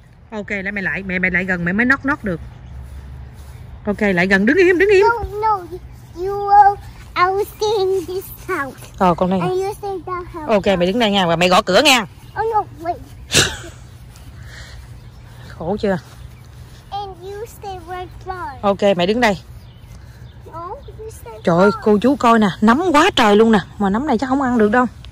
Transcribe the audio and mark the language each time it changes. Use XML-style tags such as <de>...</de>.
<vi>Ok, lại mày lại, mẹ lại gần mày mới</vi> <en>knock knock</en> <vi>được. Ok, lại gần, đứng im, đứng im.</vi> <en>No, no, you were, I was staying in this house.</en> <vi>Ờ, con đây.</vi> <en>And you stay the house.</en> <vi>Ok, mày đứng đây nha, và mày gõ cửa nha.</vi> <en>Oh no, wait.</en> <vi>Khổ chưa?</vi> <en>And you stay right there.</en> <vi>Ok, mày đứng đây.</vi> <en>No, you stay.</en> <vi>Trời ơi, cô chú coi nè, nấm quá trời luôn nè. Mà nấm này chắc không ăn được đâu.</vi>